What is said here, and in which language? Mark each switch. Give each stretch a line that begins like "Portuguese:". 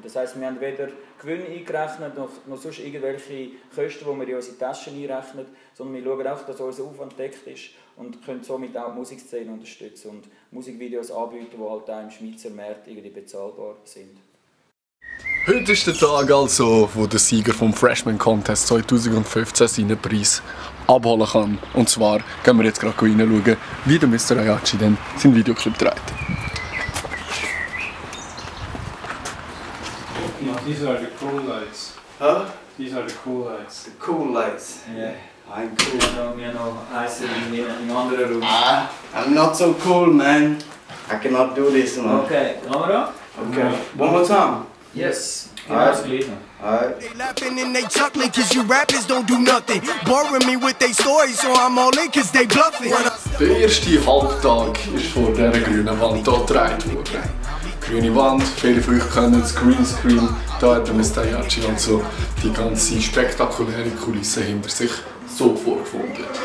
German: Das heisst, wir haben weder Gewinn eingerechnet, noch sonst irgendwelche Kosten, die wir in unsere Taschen einrechnen, sondern wir schauen auch, dass unser Aufwand gedeckt ist und können somit auch die Musikszene unterstützen und Musikvideos anbieten, die halt auch im Schweizer Markt irgendwie bezahlbar sind. Heute ist der Tag also, wo der Sieger vom Freshman Contest 2015 seinen Preis abholen kann. Und zwar gehen wir jetzt gerade reinschauen, wie der Mr. Ayachi dann seinen Videoclip dreht.
English: These are the cool lights. Huh? These are the cool lights. The cool lights? Yeah. I'm cool. You know, I sit in another room. I'm not so cool, man. I cannot do this, man. Okay, camera? Okay. Mm-hmm. One more time. Yes. Alright. They laughing and they chuckling cause you rappers don't do nothing. Boring me with their stories, so I'm all in cause they bluffing.
German: Der erste Halbtag ist vor der grünen Wand hier gedreht worden. Grüne Wand, viele von euch kennen das Greenscreen. Da hat der Mr. Ayachi und so die ganze spektakuläre Kulisse hinter sich so vorgefunden.